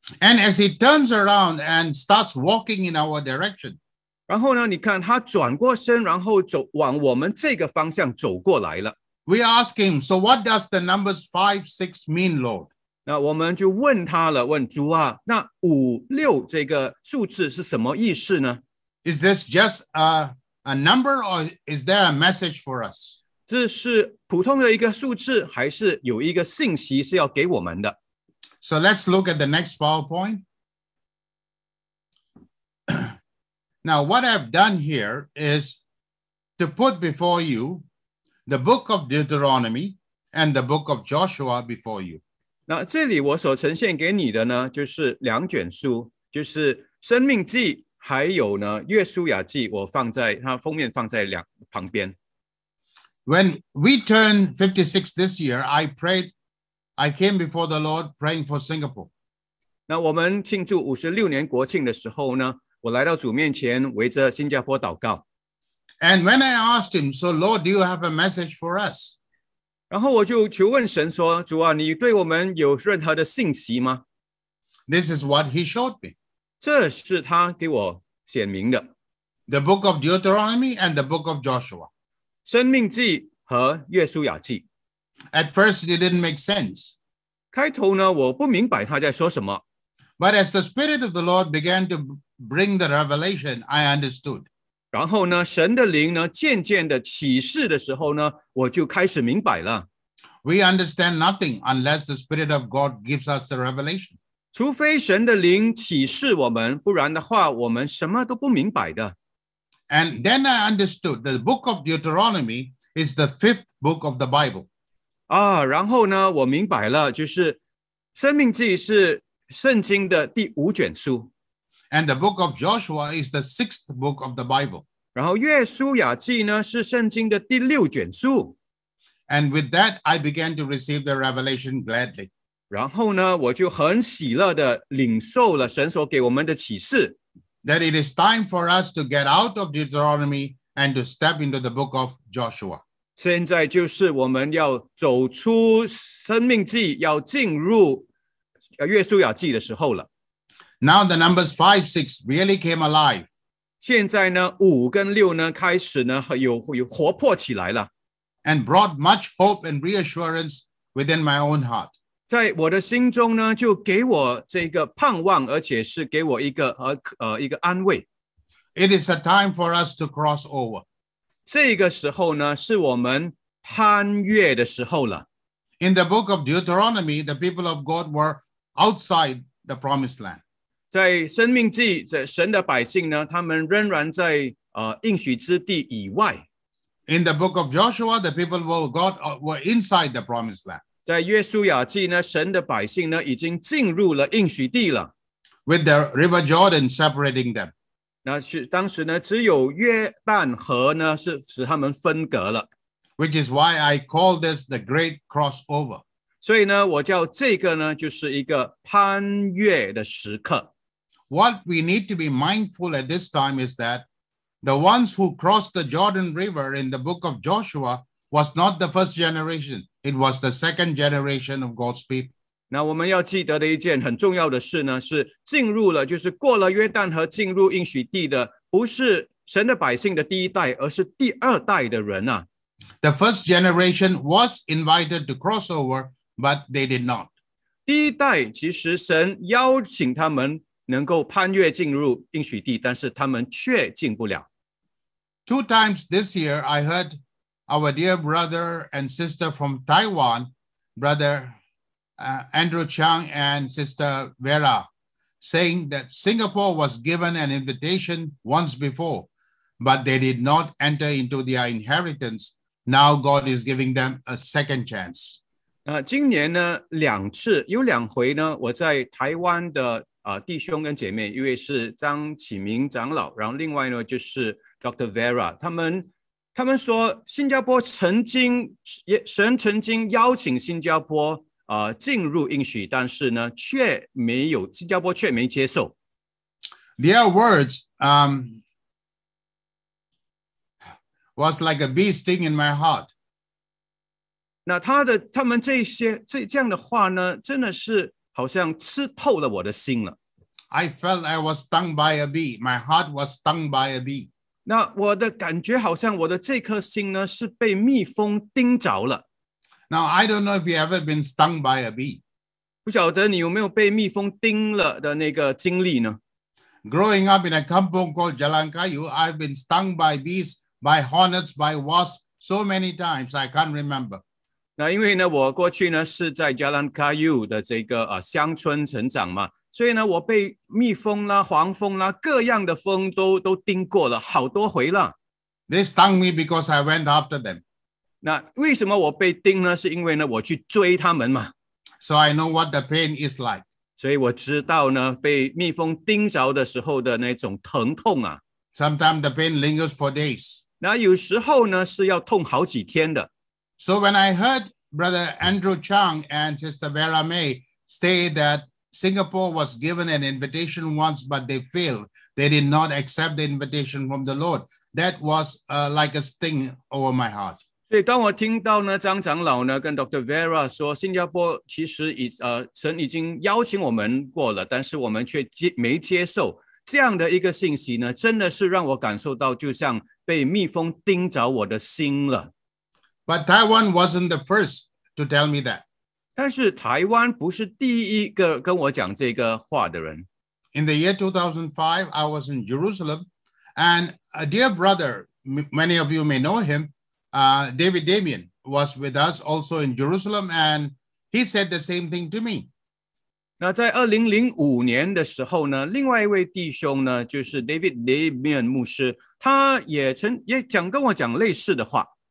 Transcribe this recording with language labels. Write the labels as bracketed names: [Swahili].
[English] And as he turns around and starts walking in our direction, [Chinese] 然后呢你看他转过身然后走往我们这个方向走过来了。 [English] We ask him, so what does the numbers 5-6 mean, Lord? [Chinese] 那我们就问他了问主啊那5-6这个数字是什么意思呢 [English] Is this just a number or is there a message for us? [Chinese] 这是普通的一个数字还是有一个信息是要给我们的 [English] So let's look at the next PowerPoint. Now, what I've done here is to put before you the book of Deuteronomy and the book of Joshua before you. [Chinese] 那这里我所呈现给你的呢，就是两卷书，就是《生命记》还有呢《约书亚记》，我放在它封面放在两旁边。 [English] When we turn 56 this year, I prayed, I came before the Lord praying for Singapore. [Chinese] 那我们庆祝56年国庆的时候呢？我来到主面前围着新加坡祷告。 [English] And when I asked him, so Lord, do you have a message for us? [Chinese] 然后我就求问神说，主啊，你对我们有任何的信息吗？ [English] This is what he showed me. [Chinese] 这是他给我显明的。 [English] The book of Deuteronomy and the book of Joshua. [Chinese] 生命记和约书亚记。 [English] At first, it didn't make sense. [Chinese] 开头呢，我不明白他在说什么。 [English] But as the Spirit of the Lord began to bring the revelation, I understood. [Chinese] 然后呢，神的灵呢，渐渐的启示的时候呢，我就开始明白了。 [English] We understand nothing unless the Spirit of God gives us the revelation. [Chinese] 除非神的灵启示我们，不然的话，我们什么都不明白的。 [English] And then I understood the book of Deuteronomy is the fifth book of the Bible. [Chinese] 啊，然后呢，我明白了，就是《生命记》是圣经的第五卷书。 [English] And the book of Joshua is the sixth book of the Bible. [Chinese] 然后《约书亚记》呢，是圣经的第六卷书。 [English] And with that, I began to receive the revelation gladly. [Chinese] 然后呢，我就很喜乐地领受了神所给我们的启示。 [English] That it is time for us to get out of Deuteronomy and to step into the book of Joshua. [Chinese] 现在就是我们要走出生命记，要进入约书亚记的时候了。 [English] Now the numbers 5, 6 really came alive. [Chinese] 现在呢，五跟六呢，开始呢，有活泼起来了。 [English] And brought much hope and reassurance within my own heart. [Chinese] 在我的心中呢，就给我这个盼望，而且是给我一个安慰。 [English] It is a time for us to cross over. [Chinese] 这个时候呢，是我们攀越的时候了。 [English] In the book of Deuteronomy, the people of God were outside the promised land. [Chinese] 在生命记，在神的百姓呢，他们仍然在应许之地以外。 [English] In the book of Joshua, the people of God were inside the promised land. [Chinese] 在约书亚记呢，神的百姓呢，已经进入了应许地了。 [English] With the river Jordan separating them. [Chinese] 那是当时呢，只有约旦河呢，是使他们分隔了。 [English] Which is why I call this the great crossover. [Chinese] 所以呢，我叫这个呢，就是一个攀越的时刻。 [English] What we need to be mindful at this time is that the ones who crossed the Jordan River in the book of Joshua was not the first generation; it was the second generation of God's people. [Chinese] 那我们要记得的一件很重要的事呢，是进入了，就是过了约旦河进入应许地的，不是神的百姓的第一代，而是第二代的人啊。 [English] The first generation was invited to cross over. But they did not. [Chinese] 第一代其实神邀请他们能够攀越进入应许地，但是他们却进不了。 [English] Two times this year, I heard our dear brother and sister from Taiwan, brother Andrew Chang and sister Vera, saying that Singapore was given an invitation once before, but they did not enter into their inheritance. Now God is giving them a second chance. [Chinese] 今年呢，两次有两回呢，我在台湾的弟兄跟姐妹，一位是张启明长老，然后另外呢就是 Dr. Vera， 他们说新加坡曾经神曾经邀请新加坡进入应许，但是呢却没有新加坡却没接受。 [English] Their words was like a bee sting in my heart. [Chinese] 那他们这样的话呢，真的是好像刺透了我的心了。 [English] I felt I was stung by a bee. My heart was stung by a bee. [Chinese] 那我的感觉好像我的这颗心呢是被蜜蜂叮着了。 [English] Now I don't know if you ever been stung by a bee. [Chinese] 不晓得你有没有被蜜蜂叮了的那个经历呢 [English] ？Growing up in a kampung called Jalan Kayu, I've been stung by bees, by hornets, by wasps so many times I can't remember. [Chinese] 那因为呢，我过去呢是在 Jalan Kayu 的这个乡村成长嘛，所以呢，我被蜜蜂啦、黄蜂啦、各样的蜂都叮过了好多回了。 [English] They stung me because I went after them. [Chinese] 那为什么我被叮呢？是因为呢，我去追他们嘛。 [English] So I know what the pain is like. [Chinese] 所以我知道呢，被蜜蜂叮着的时候的那种疼痛啊。 [English] Sometimes the pain lingers for days. [Chinese] 那有时候呢，是要痛好几天的。 [English] So when I heard Brother Andrew Chang and Sister Vera May say that Singapore was given an invitation once, but they failed, they did not accept the invitation from the Lord. That was like a sting over my heart. [Chinese] 所以当我听到呢，张长老呢跟 Dr. Vera 说，新加坡其实神已经邀请我们过了，但是我们却没接受。这样的一个信息呢，真的是让我感受到就像被蜜蜂叮着我的心了。 [English] But Taiwan wasn't the first to tell me that. [Chinese] 但是台湾不是第一个跟我讲这个话的人。 [English] In the year 2005, I was in Jerusalem, and a dear brother, many of you may know him, David Damien, was with us also in Jerusalem, and he said the same thing to me. [Chinese] 那在2005年的时候呢，另外一位弟兄呢，就是 David Damien 牧师，他也讲跟我讲类似的话。